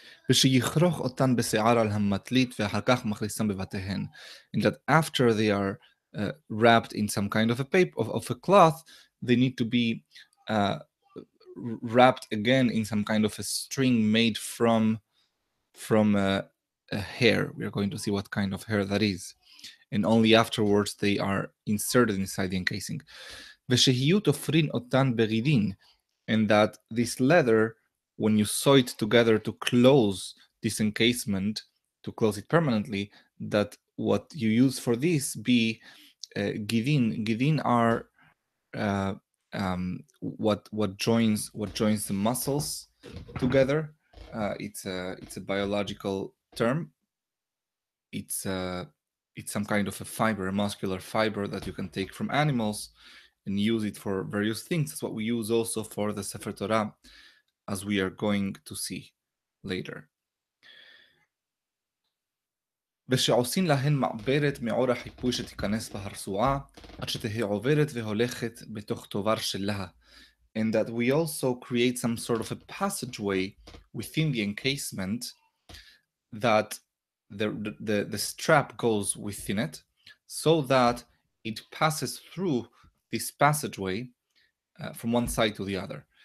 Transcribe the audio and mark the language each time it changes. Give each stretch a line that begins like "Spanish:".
Hebrew: ושיחרוך אותן בשיער על המטלית ואחר כך מכניסם בבתיהן.
English: And that after they are wrapped in some kind of a paper, of a cloth, they need to be wrapped again in some kind of a string made from a hair. We are going to see what kind of hair that is. And only afterwards they are inserted inside the encasing.
Hebrew: ושיהיו תופרין אותן ברידין.
English: And that this leather, when you sew it together to close this encasement, to close it permanently, that what you use for this be givin. Givin are what joins the muscles together. It's a biological term. It's some kind of a fiber, a muscular fiber that you can take from animals and use it for various things. That's what we use also for the Sefer Torah, as we are going to see later.
Hebrew: ושעושים להן מעברת מאור החיפוי שתיכנס בהרסועה, עד שתהיה עוברת והולכת בתוך תובר שלה.
English: And that we also create some sort of a passageway within the encasement that the strap goes within it, so that it passes through this passageway from one side to the other.